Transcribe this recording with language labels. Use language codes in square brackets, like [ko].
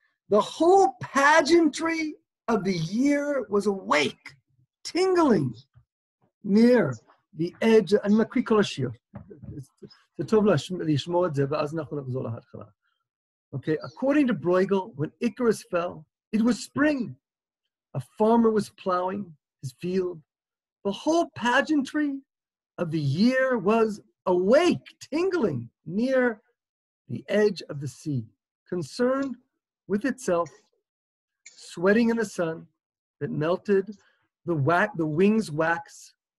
[en] The whole pageantry of the year was awake, tingling. Near the edge, [he] אני מקריא כל השיר. זה טוב לשמוע את זה, ואז אנחנו נחזור להתחלה. [en] Okay, according to Bruegel, when Icarus fell, it was spring. A farmer was plowing his field. The whole pageantry of the year was awake, tingling near the edge of the sea, concerned with itself, sweating in the sun that melted the wings' wax.